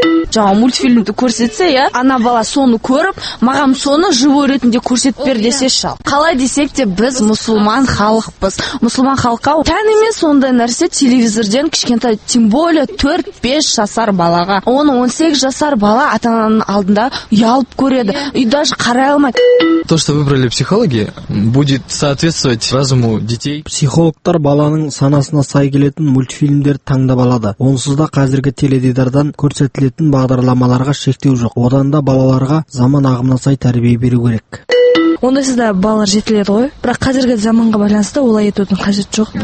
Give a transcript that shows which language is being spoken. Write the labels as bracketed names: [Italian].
[Kazakh] Жаңа мультфильмді көрсетсе, я ана бала соны көріп, маған соны живой ретінде көрсетіп бер десеші. Қалай десек те, біз мұсылман халықпыз. Мұсылман халыққа тән емес сондай нәрсе телевизорден кішкентай, [Russian] тем более [Kazakh] 4-5 жасар балаға. Оны 18 жасар бала ата-ананың алдында ұялып көреді, үй даже қарай алмайды. [Russian] То, что выбрали психологи, будет соответствовать разуму детей. [Kazakh] Психологтар баланың санасына сай келетін мультфильмдер таңдап алады. Онсыз да қазіргі теледидардан көрсетілетін бағдарламаларға шектеу жоқ. Одан да балаларға заман ағымына сай тәрбие беру керек. Онда сізде балалар жетіледі ғой, бірақ қазіргі заманға байланысты олай етудің қажеті жоқ.